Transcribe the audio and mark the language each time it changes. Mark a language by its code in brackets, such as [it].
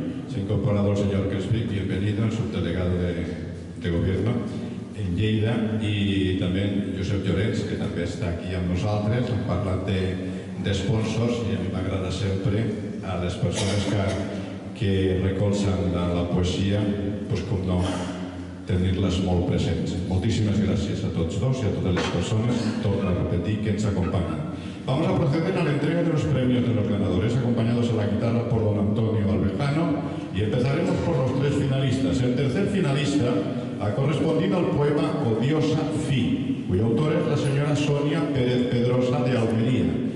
[es] Se ha incorporado el señor Crespi, bienvenido, el subdelegado de gobierno en Lleida, y también Josep Llorens, que también está aquí [ca] amb nosaltres, [es] un parlante de sponsors, y a mí me agrada siempre a las personas que recolzan la poesía, pues como no, [ca] tenir-les molt presents. Moltíssimes gràcies a tots dos i a totes les persones, torno a repetir, que ens acompanyen. [es] Vamos a proceder a la entrega de los premios de los ganadores, acompañados a la guitarra por don Antonio Alvejano, y empezaremos por los tres finalistas. El tercer finalista ha correspondido al poema Odiosa Fi, cuyo autor es la señora Sonia Pérez Pedrosa de Almería.